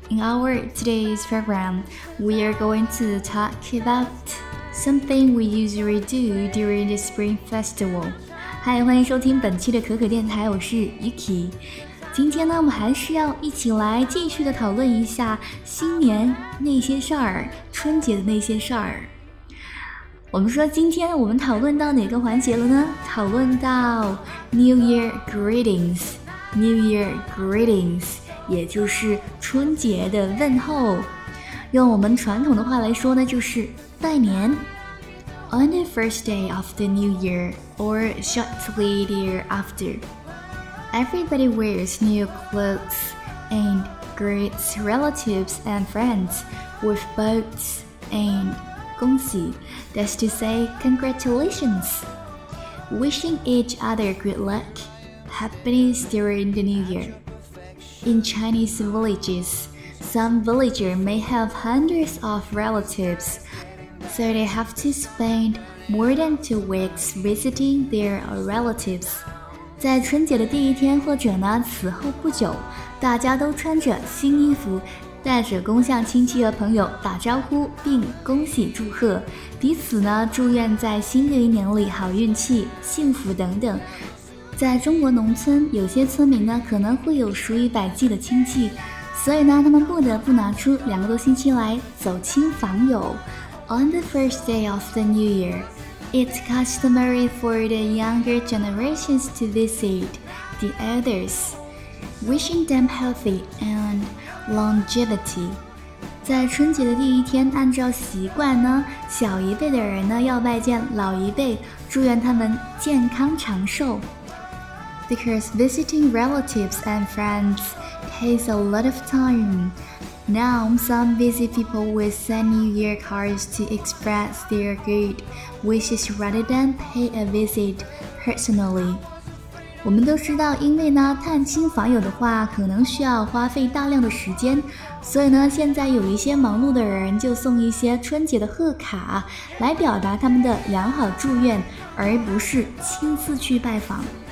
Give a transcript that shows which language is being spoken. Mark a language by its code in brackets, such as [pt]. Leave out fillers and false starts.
[en] In our today's program, we are going to talk about something we usually do during the Spring Festival. [zh] Hi, 欢迎收听本期的可可电台，我是 Yuki。今天呢，我们还是要一起来继续的讨论一下新年那些事儿，春节的那些事儿。我们说今天我们讨论到哪个环节了呢？讨论到 [en] New Year Greetings， [zh] 也就是春节的问候。用我们传统的话来说呢，就是拜年。 [en] On the first day of the new year, or shortly thereafter, everybody wears new clothes and greets relatives and friends with boats and恭喜, that's to say, congratulations. Wishing each other good luck, happiness during the new year. In Chinese villages, some villager may have hundreds of relatives, so they have to spend more than 2 weeks visiting their relatives. [zh] 在春节的第一天或者呢，此后不久，大家都穿着新衣服，带着恭向亲戚和朋友打招呼，并恭喜祝贺彼此呢，祝愿在新的一年里好运气、幸福等等。在中国农村，有些村民呢可能会有数以百计的亲戚，所以呢，他们不得不拿出两个多星期来走亲访友。 [en] On the first day of the new year, it's customary for the younger generations to visit the elders, wishing them healthy and longevity. [zh] 在春节的第一天，按照习惯呢，小一辈的人呢要拜见老一辈，祝愿他们健康长寿。 [en] Because visiting relatives and friends takes a lot of time, now some busy people will send New Year cards to express their good wishes rather than pay a visit personally. [zh] 我们都知道，因为呢，探亲访友的话可能需要花费大量的时间，所以呢，现在有一些忙碌的人就送一些春节的贺卡来表达他们的良好祝愿，而不是亲自去拜访。